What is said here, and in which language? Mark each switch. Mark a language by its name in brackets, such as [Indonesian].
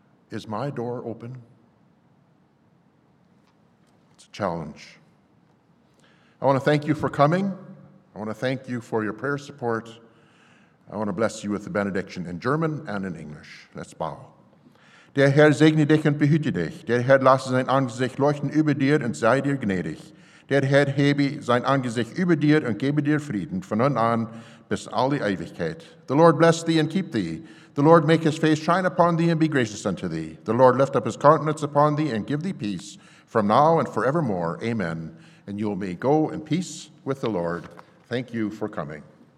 [English] Is my door open? It's a challenge. I want to thank you for coming. I want to thank you for your prayer support. I want to bless you with the benediction in German and in English. Let's bow. [German] Der Herr segne dich und behüte dich. Der Herr lasse sein Angesicht leuchten über dir und sei dir gnädig. Der Herr hebe sein Angesicht über dir und gebe dir Frieden von nun an bis alle Ewigkeit. [English] The Lord bless thee and keep thee. The Lord make his face shine upon thee and be gracious unto thee. The Lord lift up his countenance upon thee and give thee peace from now and forevermore. Amen. And you may go in peace with the Lord. Thank you for coming.